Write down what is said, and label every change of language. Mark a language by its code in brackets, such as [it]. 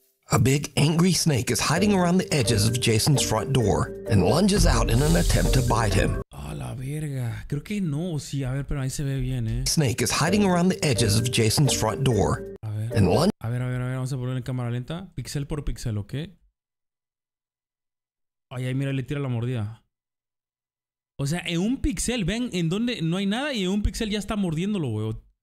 [en] A big angry snake is hiding around the edges of Jason's front door and lunges out in an attempt to bite him. [es] Creo que no, sí, a ver, pero ahí se ve bien, ¿eh? [en] Snake is hiding around the edges of Jason's front door. [es] A ver, vamos a poner en cámara lenta. Pixel por pixel, ¿ok? Ahí, mira, le tira la mordida. O sea, en un pixel, ven, en donde no hay nada y en un pixel ya está mordiéndolo, weón.